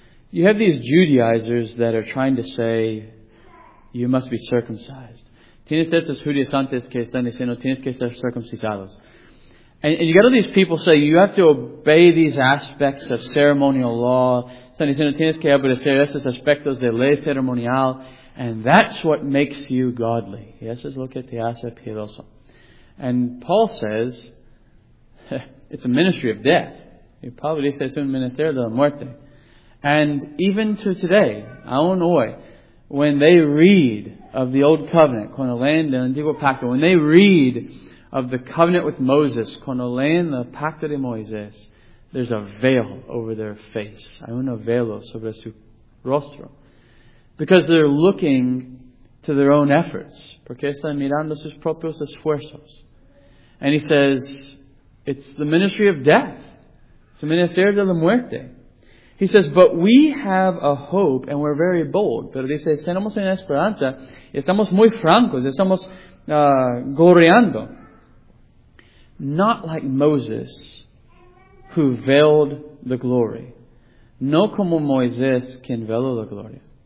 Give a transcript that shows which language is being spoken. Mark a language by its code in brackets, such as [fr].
[en] You have these Judaizers that are trying to say, you must be circumcised. [es] Tienes estos judíos antes que están diciendo, tienes que ser circuncisados. [en] And you got all these people say you have to obey these aspects of ceremonial law. [es] Están diciendo tienes que obedecer esos aspectos de ley ceremonial, [en] and that's what makes you godly. [es] Y eso es lo que te hace piedoso. [en] And Paul says it's a ministry of death. [es] Y Pablo dice es un ministerio de la muerte. [en] And even to today, [es] aún hoy, [en] when they read of the old covenant, [es] cuando leen del antiguo pacto, [en] when they read of the covenant with Moses, [es] cuando leen el pacto de Moisés, [en] there's a veil over their face. [es] Hay un velo sobre su rostro. [en] Because they're looking to their own efforts. [es] Porque están mirando sus propios esfuerzos. [en] And he says, it's the ministry of death. It's the [es] ministerio de la muerte. [en] He says, but we have a hope and we're very bold. [es] Pero dice, tenemos una esperanza. Estamos muy francos. Estamos gloriando. [en] Not like Moses, who veiled the glory. [es] No como Moisés, quien veló la gloria.